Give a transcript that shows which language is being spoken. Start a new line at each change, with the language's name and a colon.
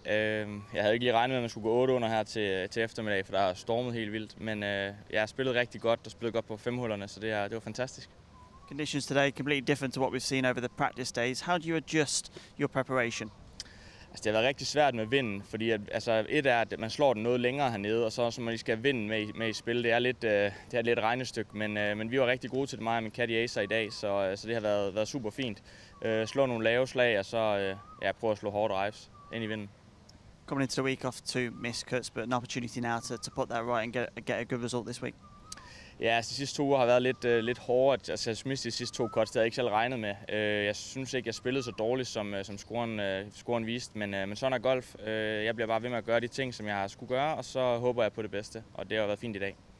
Danish: Jeg havde ikke lige regnet med, at man skulle gå 8 under her til eftermiddag, for der har stormet helt vildt. Men jeg har spillet rigtig godt og spillet godt på femhullerne, så det var fantastisk.
English: Conditions today completely different to what we've seen over the practice days. How do you adjust your preparation?
Danish: Altså, det har været rigtig svært med vinden, fordi at man slår den noget længere hernede, og så man lige skal vinden med i spil. Det er lidt regnestykke, men vi var rigtig gode til det, mig og min caddy Acer i dag, så det har været super fint. Slå nogle lave slag, og så prøve at slå hårde drives ind i vinden.
English: Coming into the week off to miss cuts, but an opportunity now to put that right and get a good result this week.
Danish: Ja, altså, de sidste to uger har været lidt hårde. Altså, jeg synes, de sidste to cuts, det havde jeg ikke selv regnet med. Jeg synes ikke, jeg spillede så dårligt, som scoren viste, men sådan er golf. Jeg bliver bare ved med at gøre de ting, som jeg skulle gøre, og så håber jeg på det bedste, og det har været fint i dag.